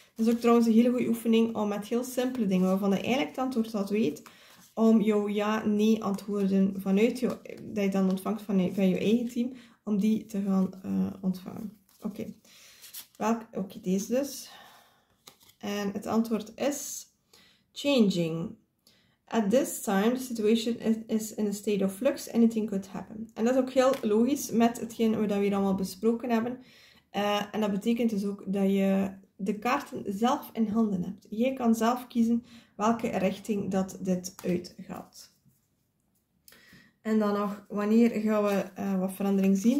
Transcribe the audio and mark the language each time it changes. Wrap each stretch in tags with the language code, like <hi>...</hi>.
<nl>Dat is ook trouwens een hele goede oefening om met heel simpele dingen, waarvan je eigenlijk het antwoord al weet, om jouw ja-nee antwoorden vanuit jou, dat je dan ontvangt van je eigen team, om die te gaan ontvangen. Oké, deze dus. En het antwoord is changing.</nl> <en>At this time, the situation is in a state of flux. Anything could happen.</en> <nl>En dat is ook heel logisch met hetgeen we dat hier allemaal besproken hebben. En dat betekent dus ook dat je de kaarten zelf in handen hebt. Jij kan zelf kiezen welke richting dat dit uitgaat. En dan nog, wanneer gaan we wat verandering zien?</nl>